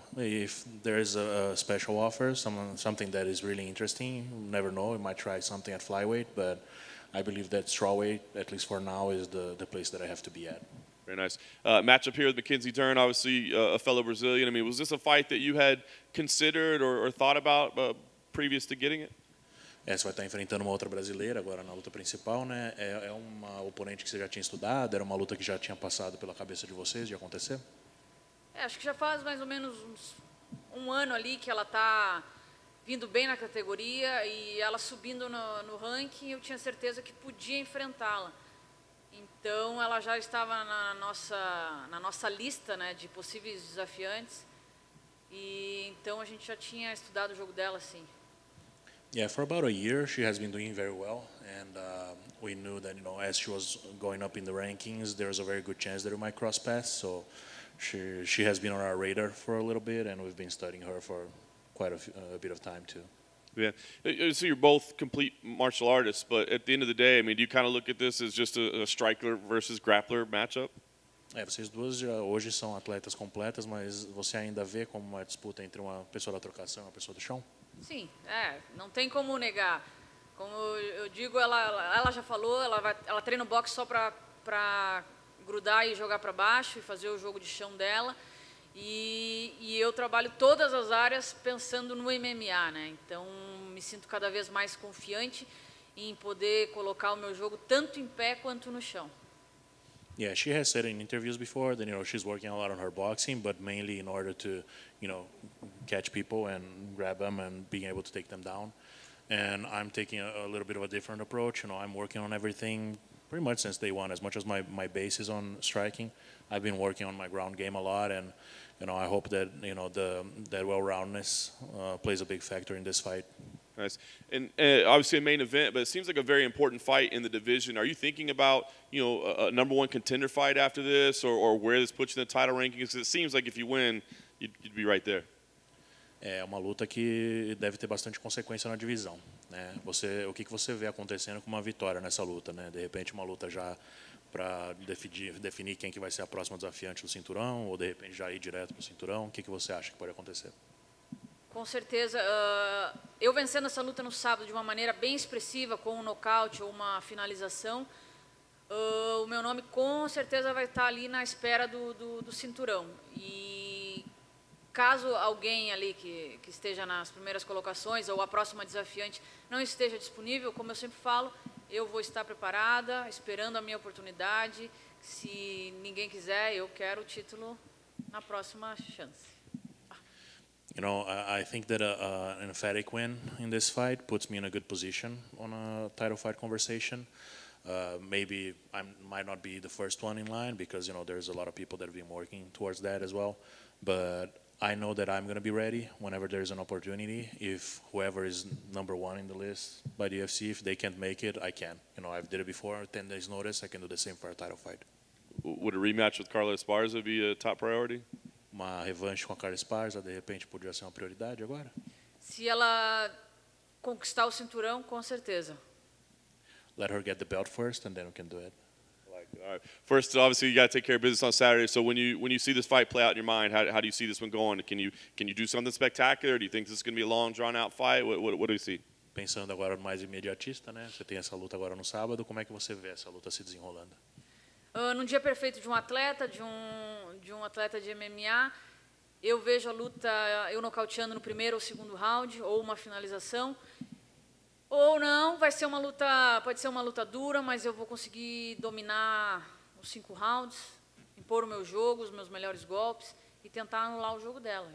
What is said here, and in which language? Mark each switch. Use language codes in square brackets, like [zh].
[en] If there is a special offer, something that is really interesting, never know. You might try something at flyweight, but I believe that strawweight, at least for now, is the place that I have to be at. Very nice. Matchup here with Mackenzie Dern, obviously a fellow Brazilian. I mean, was this a fight that you had considered or thought about previous to getting it? [pt] Você vai estar enfrentando uma outra brasileira agora na luta principal, né? É uma oponente que você já tinha estudado? Era uma luta que já tinha passado pela cabeça de vocês de acontecer? Acho que já faz mais ou menos uns um ano ali que ela está vindo bem na categoria e ela subindo no ranking, eu tinha certeza que podia enfrentá-la. Então, ela já estava na nossa lista, né, de possíveis desafiantes. E então a gente já tinha estudado o jogo dela, sim. [en] Yeah, for about a year, she has been doing very well, and we knew that, you know, as she was going up in the rankings, there was a very good chance that we might cross paths. So she has been on our radar for a little bit, and we've been studying her for quite a bit of time too. Yeah, so you're both complete martial artists, but at the end of the day, I mean, do you kind of look at this as just a striker versus grappler matchup? [pt] É, vocês duas já hoje são atletas completas, mas você ainda vê como uma disputa entre uma pessoa da trocação e uma pessoa do chão? Sim, é, não tem como negar. Como eu digo, ela já falou, ela treina o boxe só para grudar e jogar para baixo e fazer o jogo de chão dela. E eu trabalho todas as áreas pensando no MMA, né? Então, me sinto cada vez mais confiante em poder colocar o meu jogo tanto em pé quanto no chão. [en] Yeah, she has said in interviews before that, you know, she's working a lot on her boxing, but mainly in order to, you know, catch people and grab them and being able to take them down. And I'm taking a little bit of a different approach. You know, I'm working on everything pretty much since day one. As much as my base is on striking, I've been working on my ground game a lot. And, you know, I hope that, you know, that well-roundness plays a big factor in this fight. Nice. And obviously a main event, but it seems like a very important fight in the division. Are you thinking about, you know, a number one contender fight after this, or where this puts you in the title rankings? Because it seems like if you win, you'd be right there. [pt] É uma luta que deve ter bastante consequência na divisão, né? Você, o que você vê acontecendo com uma vitória nessa luta, né? De repente uma luta já para definir quem que vai ser a próxima desafiante do cinturão, ou de repente já ir direto para o cinturão. O que você acha que pode acontecer? Com certeza, eu vencendo essa luta no sábado de uma maneira bem expressiva, com um nocaute ou uma finalização, o meu nome com certeza vai estar ali na espera do cinturão. E caso alguém ali que esteja nas primeiras colocações ou a próxima desafiante não esteja disponível, como eu sempre falo, eu vou estar preparada, esperando a minha oportunidade. Se ninguém quiser, eu quero o título na próxima chance. [en] You know, I think that an emphatic win in this fight puts me in a good position on a title fight conversation. Maybe I might not be the first one in line because, you know, there's a lot of people that have been working towards that as well. But I know that I'm going to be ready whenever there's an opportunity. If whoever is number one in the list by the UFC, if they can't make it, I can. You know, I've did it before, 10 days notice, I can do the same for a title fight. Would a rematch with Carlos Esparza be a top priority? [pt] Uma revanche com a Carla Esparza, de repente, poderia ser uma prioridade agora? Se ela conquistar o cinturão, com certeza. [en] Let her get the belt first, and then we can do it. First, obviously, you got to take care of business on Saturday. So when you see this fight play out in your mind, how do you see this one going? Can you do something spectacular? Do you think this is going to be a long, drawn-out fight? What do you see? [pt] Pensando agora no mais imediatista, né? Você tem essa luta agora no sábado. Como é que você vê essa luta se desenrolando? Num dia perfeito de um atleta, de um atleta de MMA, eu vejo a luta, eu nocauteando no primeiro ou segundo round, ou uma finalização. Ou não, vai ser uma luta, pode ser uma luta dura, mas eu vou conseguir dominar os 5 rounds, impor o meu jogo, os meus melhores golpes, e tentar anular o jogo dela.